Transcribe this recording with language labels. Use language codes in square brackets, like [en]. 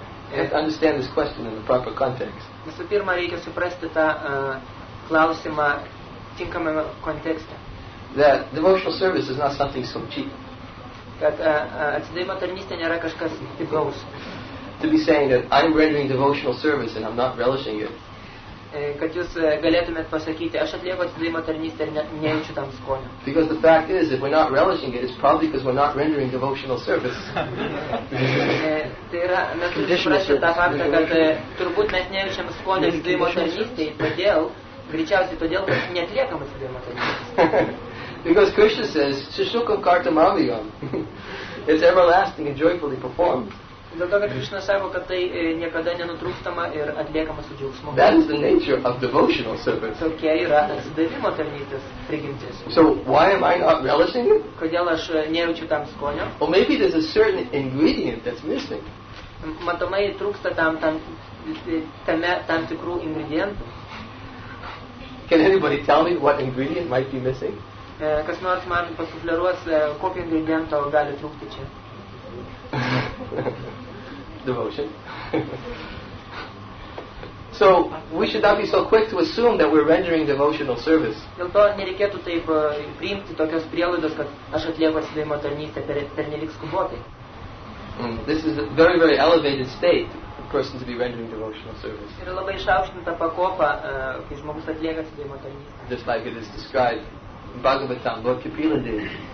[en] You have to understand this question in the proper context. [lt] Visų pirma, reikia suprasti tą klausimą tinkamame kontekste. [en] That devotional service is not something so cheap. [lt] Kad atsidavimo tarnystė nėra kažkas pigaus. [en] To be saying that I'm rendering devotional service and I'm not relishing it. [lt] Kad jūs galėtumėt pasakyti, aš atlieku atsidavimo tarnystę ir nejaučiu tam skonio. [en] Because the fact is, if we're not relishing it, it's probably because we're not rendering devotional service. [lt] Tai yra, mes turime suprasti tą faktą, kad turbūt mes nejaučiam skonio atsidavimo tarnystė, todėl greičiausiai todėl, kad neatliekama atsidavimo tarnystė. [en] Because Krishna says, [sa] "Sushukam kartam avyam." [en] It's everlasting and joyfully performed. [lt] Dėl to, kad Krishna sako, kad tai niekada nenutrūkstama ir atliekama su džiaugsmu. [en] That is the nature of devotional service. [lt] Tokia yra atsidavimo tarnystės prigimtis. [en] So why am I not relishing it? [lt] Kodėl aš nejaučiu tam skonio? [en] Or maybe there's a certain ingredient that's missing. [lt] Matomai trūksta tam tikrų ingredientų. [en] Can anybody tell me what ingredient might be missing? [lt] Kas nors man pasufleruos, kokio ingrediento gali trūkti čia? [en] Devotion. So we should not be so quick to assume that we're rendering devotional service. [lt] Dėl to nereikėtų taip priimti tokios prielaidos, kad aš atlieku atsidavimo tarnystę pernelyg skubotai. [en] This is a very, very elevated state for a person to be rendering devotional service. [lt] Yra labai išaukštinta pakopa, kai žmogus atlieka atsidavimo tarnystę. [en] Just like it is described in Bhagavatam, Lord Kapila did.